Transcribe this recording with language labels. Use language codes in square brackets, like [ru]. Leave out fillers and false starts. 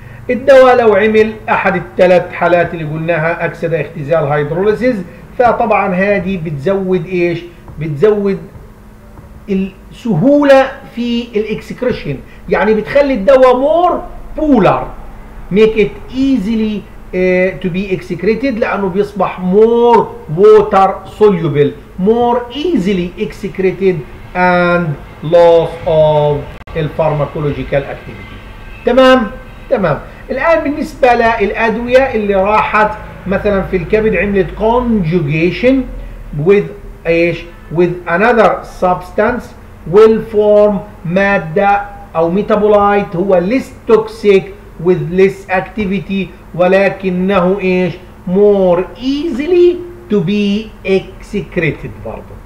[ar] الدواء لو عمل احد الثلاث حالات اللي قلناها اكسدة اختزال hydrolysis، فطبعا هذه بتزود ايش؟ بتزود السهولة في الاكسكريشن، يعني بتخلي الدواء [en] more polar make it easily to be excreted [ar] لأنه بيصبح [en] more water soluble, more easily excreted and loss of the pharmacological activity. [ar] تمام؟ تمام. الآن بالنسبة للأدوية اللي راحت مثلا في الكبد عملت conjugation with ايش؟ [en] with another substance will form [ar] مادة أو ميتابولايت هو [en] less toxic with less activity [ar] ولكنه ايش؟ [en] more easily to be excreted [ar] برضو.